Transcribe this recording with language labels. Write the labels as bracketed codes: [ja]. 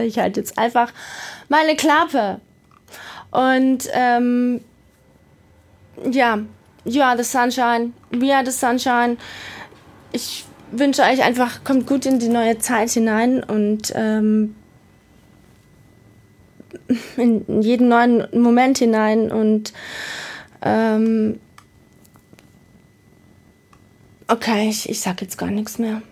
[de] Ich halte jetzt einfach meine Klappe. Und ja, [en] you are the sunshine, we are the sunshine. [de] Ich wünsche euch einfach, kommt gut in die neue Zeit hinein und in jeden neuen Moment hinein. Und okay, ich sag jetzt gar nichts mehr.